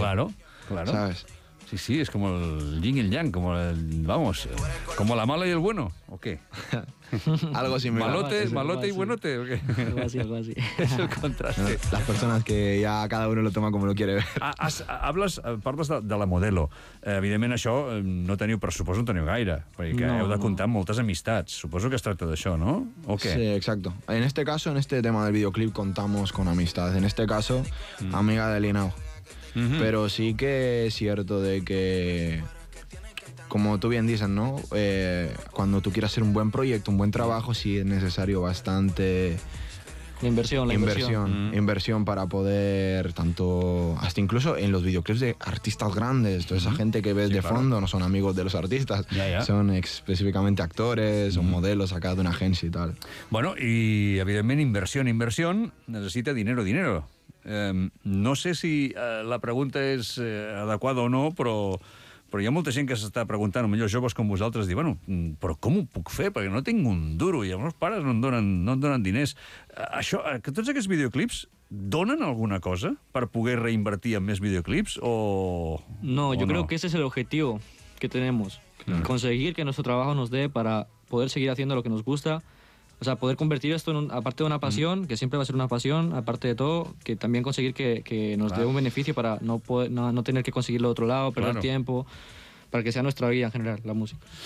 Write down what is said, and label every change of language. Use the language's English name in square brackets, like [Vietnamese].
[Spanish] Claro, claro. ¿Sabes? Sí, sí, es como el yin y el yang, como el, vamos, como la mala y el bueno, ¿o qué? Algo similar. Malote y buenote, ¿o qué? Algo así. Es el contraste. No, las personas que ya cada uno lo toma como lo quiere ver. [Catalan] Parles de la modelo. Evidentment, això no teniu, per suposo, no teniu gaire, perquè heu de comptar moltes amistats. Suposo que es tracta d'això, no? [Spanish] ¿O qué? Sí, exacto. En este caso, en este tema del videoclip, contamos con amistad. En este caso, amiga de Linao. Pero sí que es cierto de que, como tú bien dices, ¿no? Cuando tú quieras hacer un buen proyecto, un buen trabajo, sí es necesario bastante la inversión para poder, tanto hasta incluso en los videoclips de artistas grandes, toda esa gente que ves fondo no son amigos de los artistas, son específicamente actores o modelos acá de una agencia y tal. Bueno, y evidentemente inversión necesita dinero. [Catalan] No sé si la pregunta és adequada o no, però hi ha molta gent que s'està preguntant, potser joves com vosaltres, dir, bueno, però com ho puc fer? Perquè no tinc un duro i els pares no em donen diners. Això, que tots aquests videoclips donen alguna cosa per poder reinvertir en més videoclips o... No, jo crec que [Spanish] ese es el objetivo que tenemos. Conseguir que nuestro trabajo nos dé para poder seguir haciendo lo que nos gusta. O sea, poder convertir esto en aparte de una pasión, que siempre va a ser una pasión, aparte de todo, que también conseguir que nos dé un beneficio para no tener que conseguirlo de otro lado, perder tiempo, para que sea nuestra vida en general, la música.